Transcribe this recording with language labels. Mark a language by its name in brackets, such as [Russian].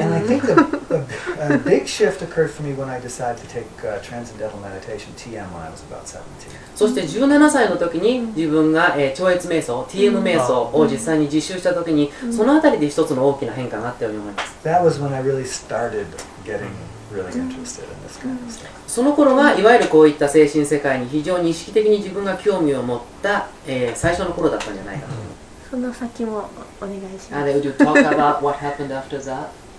[English] And I think the big shift occurred for me when I decided to take transcendental meditation, TM, when I was about 17. [Japanese] そして17歳の時に自分が、超越瞑想、TM 瞑想を実際に実習した時に、そのあたりで一つの大きな変化があったように思います。 [English] That was when I really started getting really interested in this kind of stuff. [Japanese] その頃がいわゆるこういった精神世界に非常に意識的に自分が興味を持った、最初の頃だったんじゃないかと。その先もお願いします。 [English] And would you talk about what happened after that?